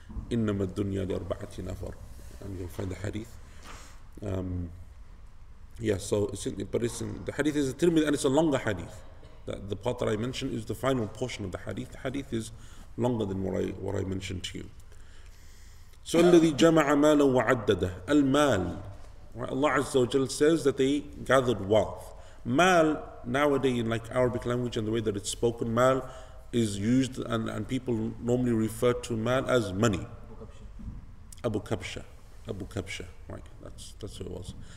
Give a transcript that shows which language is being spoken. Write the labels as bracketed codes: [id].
[ar] Innama ad-dunya li arba'ati nafar, [en] and you'll find the hadith. Yeah, so the hadith is a Tirmidhi, and it's a longer hadith. The part that I mentioned is the final portion of the hadith. The hadith is longer than what I mentioned to you. [ar] So الذي جمع مالا وعدده المال. [en] Allah Azza wa Jal says that they gathered wealth. Mal nowadays in like Arabic language and the way that it's spoken, mal is used and people normally refer to mal as money. Abu Kabsha, right? That's who it was.